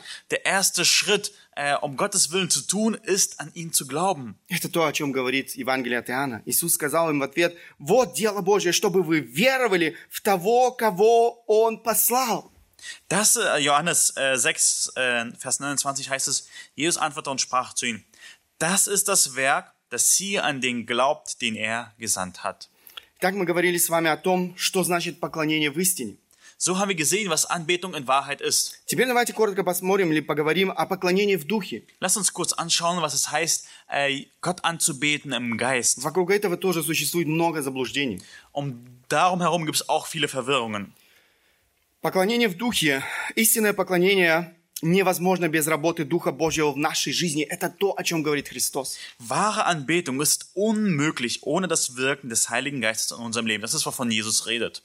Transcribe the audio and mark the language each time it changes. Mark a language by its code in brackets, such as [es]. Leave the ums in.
[de] Der erste Schritt – äh, um Gottes Willen zu tun, ist, an ihn zu glauben. [ru] Это то, о чем говорит Евангелие от Иоанна. Иисус сказал им в ответ, вот дело Божие, чтобы вы веровали в того, кого он послал. [de] Das, Johannes 6, Vers 29 heißt es, Jesus antwortete und sprach zu ihnen, das ist das Werk, dass sie an den glaubt, den er gesandt hat. [ru] Так мы говорили с вами о том, что значит поклонение в истине. [de] So haben wir gesehen, was Anbetung in Wahrheit ist. [ru] Теперь давайте коротко посмотрим или поговорим о поклонении в духе. [de] Lass uns kurz anschauen, was es heißt, Gott anzubeten im Geist. [ru] Вокруг этого тоже существует много заблуждений. [de] Um, darum herum gibt es auch viele Verwirrungen. [ru] Поклонение в духе, истинное поклонение невозможно без работы Духа Божьего в нашей жизни. Это то, о чем говорит Христос. [de] Wahre Anbetung ist unmöglich ohne das Wirken des Heiligen Geistes in unserem Leben. Das ist, wovon Jesus redet.